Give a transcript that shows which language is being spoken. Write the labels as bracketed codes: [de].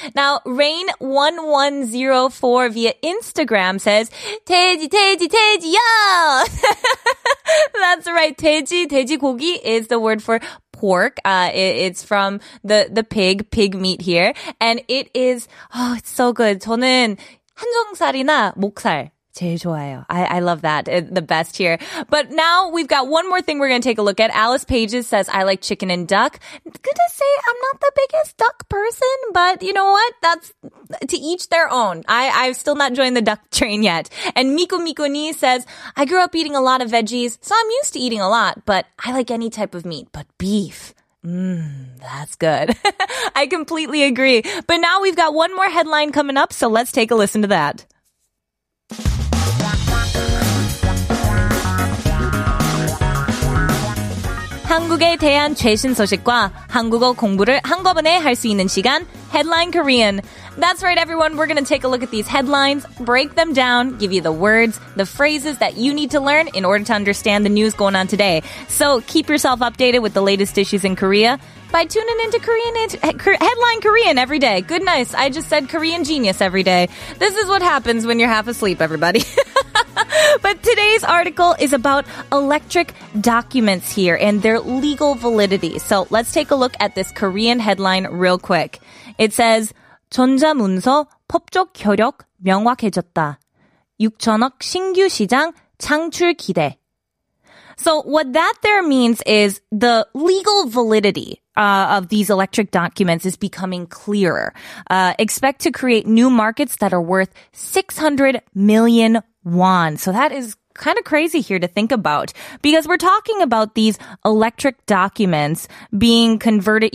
[en] Now, Rain1104 via Instagram says, [ko] 돼지, 돼지, 돼지야! [en] That's right. 돼지, 돼지 고기 is the word for pork. It's from the pig meat here. And it is, oh, it's so good. [ko] 저는 한정살이나 목살 제일 좋아요. [en] I love that. The best here. But now we've got one more thing we're going to take a look at. Alice Pages says, I like chicken and duck. Good to say, I'm not the biggest duck person, but you know what? That's to each their own. I've still not joined the duck train yet. And Miku Miku Ni says, I grew up eating a lot of veggies, so I'm used to eating a lot, but I like any type of meat, but beef. That's good. I completely agree. But now we've got one more headline coming up, so let's take a listen to that. [ko] Hanguk에 대한 최신 소식과 한국어 공부를 한꺼번에 할 수 있는 시간, Headline Korean. [en] That's right, everyone. We're going to take a look at these headlines, break them down, give you the words, the phrases that you need to learn in order to understand the news going on today. So keep yourself updated with the latest issues in Korea by tuning into Headline Korean every day. Goodness, I just said Korean genius every day. This is what happens when you're half asleep, everybody. But today's article is about electric documents here and their legal validity. So let's take a look at this Korean headline real quick. It says, [ko] 전자문서 법적 효력 명확해졌다. 6천억 신규 시장 창출 기대. [en] So what that there means is the legal validity of these electric documents is becoming clearer. Expect to create new markets that are worth 600 million won. So that is kind of crazy here to think about, because we're talking about these electric documents being converted.